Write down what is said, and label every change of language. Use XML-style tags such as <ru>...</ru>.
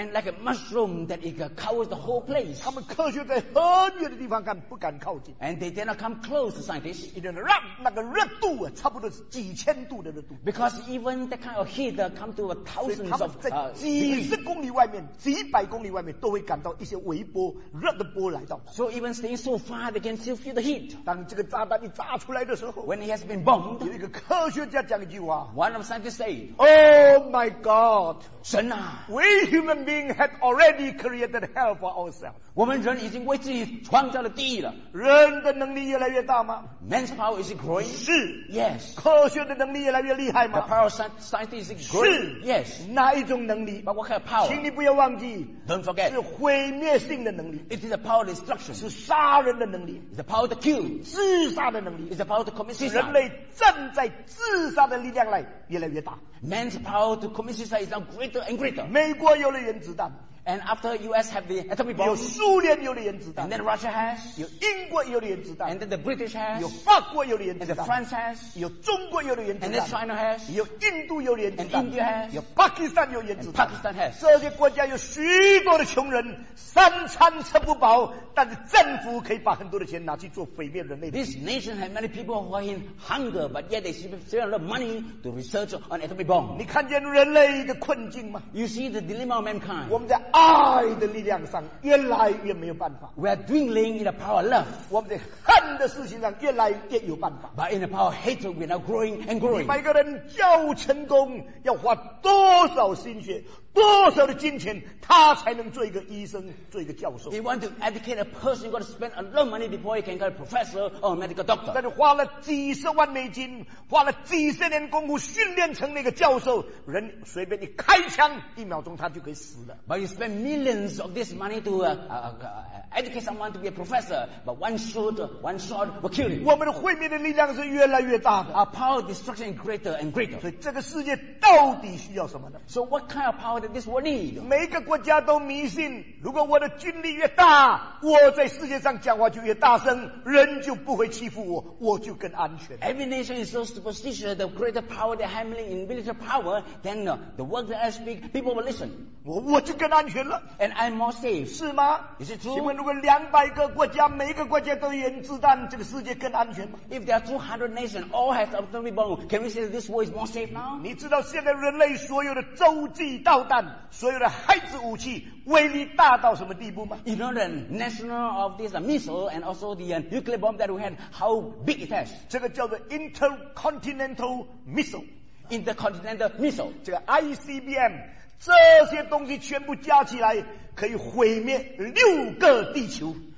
<en>And like a mushroom that it covers the whole place.</en> <zh>他们科学在很远的地方看, 不敢靠近.</zh> <en>And they did not come close to scientists.</en> <zh>因为让那个热度, 差不多是几千度的热度.</zh> <en>Because even that kind of heat come to thousands of</en> <zh>几十公里外面, 几百公里外面, 都会感到一些微波热的波来到.</zh> <en>So even staying so far, they can still feel the heat.</en> <zh>当这个炸弹一炸出来的时候,</zh> <en>when it has been bombed,</en> <zh>有一个科学家讲一句话,</zh> <en>one of scientists say, Oh my God,</en> <zh>神啊,</zh> <en>we human beings had already created hell for ourselves.</en> <zh>我们人已经为自己创造了地狱了. 人的能力越来越大吗?</zh> <en>Man's power is growing.</en> <zh>是,</zh> <en>yes.</en> <zh>科学的能力越来越厉害吗?</zh> <en>The power of scientists is growing.</en> <zh>是,</zh> <en>yes.</en> <zh>哪一种能力?</zh> <en>But what kind of power?</en> <zh>请你不要忘记,</zh> <en>don't forget.</en> <zh>是毁灭性的能力.</zh> <en>It is the power of destruction.</en> <zh>是杀人的能力.</zh> <en>It's the power to kill.</en> <zh>自杀的能力.</zh> <en>It's the power to commit suicide.</en> <zh>人类站在自杀的力量来越来越大.</zh> <en>Man's power to commit suicide is now greater and greater.</en> <zh>美国有了原子弹.</zh> <en>And after US have the atomic bomb,</en> <zh>有苏联有了原子弹,</zh> <en>and then Russia has,</en> <zh>有英国有了原子弹,</zh> <en>and then the British has,</en> <zh>有法国有了原子弹,</zh> <en>and the France has,</en> <zh>有中国有了原子弹,</zh> <en>and then China has,</en> <zh>有印度有了原子弹,</zh> <en>and India has,</en> <zh>有巴基斯坦有原子弹,</zh> <en>and Pakistan has.</en> <zh>这些国家有许多的穷人, 三餐吃不饱, 但是政府可以把很多的钱拿去做毁灭人类的事情.</zh> <en>This nation has many people who are in hunger, but yet they spend a lot of money to research on atomic bomb.</en> <zh>你看见人类的困境吗?</zh> <en>You see the dilemma of mankind.</en> <zh>爱的力量上越来越没有办法.</zh> <en>We are dwindling in the power of love.</en> <zh>我们在恨的事情上越来越有办法.</zh> <en>But in the power of hatred, we are now growing and growing.</en> <zh>你把一个人教成功, 要花多少心血, 多少的金钱, 他才能做一个医生, 做一个教授.</zh> <en>If you want to educate a person, you've got to spend a lot of money before you can get a professor or a medical doctor.</en> <zh>但是花了几十万美金, 花了几十年功夫, 训练成那个教授, 人随便一开枪, 一秒钟他就可以死了.</zh> <en>But you spend millions of this money to educate someone to be a professor, but one shot will kill you.</en> <zh>我们的毁灭的力量是越来越大的.</zh> <en>Our power of destruction is greater and greater.</en> <zh>所以这个世界到底需要什么呢?</zh> <en>So what kind of power that this world need?</en> <zh>每一个国家都迷信, 如果我的军力越大, 我在世界上讲话就越大声, 人就不会欺负我, 我就更安全.</zh> <en>Every nation is so superstitious, the greater power they're handling in military power, then the word that I speak, people will listen.</en> <zh>我就更安全了.</zh> <en>And I'm more safe.</en> <zh>是吗?</zh> <en>Is it true?</en> <zh>请问如果200个国家, 每一个国家都原子弹, 这个世界更安全吗?</zh> <en>If there are 200 nations, all have atomic bomb, can we say that this world is more safe now?</en> <zh>你知道现在人类所有的洲际道德,弹，所有的孩子武器威力大到什么地步吗</zh> <en>？You know the national of this missile and also the nuclear bomb that we had, how big it is?</en> <zh>这个叫做 intercontinental missile,</zh> <en>intercontinental missile,</en> <zh>这个 ICBM, 这些东西全部加起来可以毁灭六个地球。</zh>